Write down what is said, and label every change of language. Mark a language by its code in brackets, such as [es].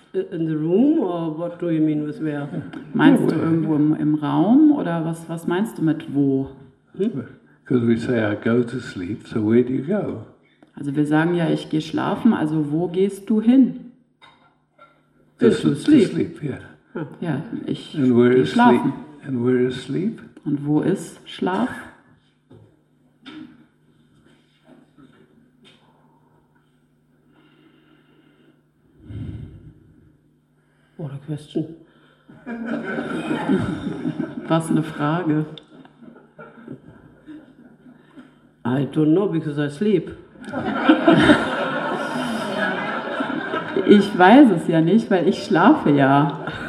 [en] In the room or what do you mean with where? [de] Meinst du irgendwo im Raum oder was meinst du mit wo? [en] Because we say I go to sleep, so where do you go? [de] Also wir sagen ja, ich gehe schlafen, also wo gehst du hin? [en] To sleep, yeah. [de] Ja, ich gehe schlafen. [en] Sleep? And where is sleep? [de] Und wo ist Schlaf? [en] What a question. [de] Was eine Frage. [en] I don't know because I sleep. [de] Ich weiß es ja nicht, weil ich schlafe ja.